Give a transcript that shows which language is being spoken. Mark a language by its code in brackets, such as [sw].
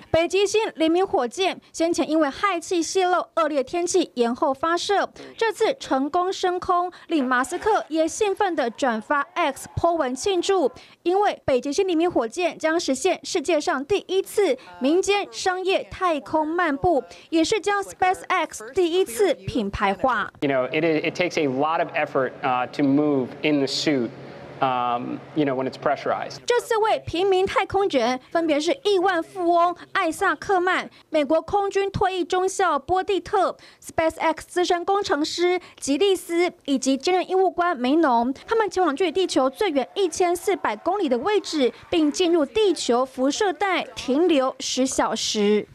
[zh] 北极星黎明火箭先前因为氦气泄漏、恶劣天气延后发射，这次成功升空，令马斯克也兴奋地转发 X po 文庆祝。因为北极星黎明火箭将实现世界上第一次民间商业太空漫步，也是将 SpaceX 第一次品牌化。 [en] You know, it takes a lot of effort, to move in the suit. You know, when it's pressurized. [zh] 这四位平民太空人分别是亿万富翁艾萨克曼、美国空军退役中校波蒂特、SpaceX 资深工程师吉利斯以及兼任医务官梅农。他们前往距离地球最远1400公里的位置，并进入地球辐射带停留10小时。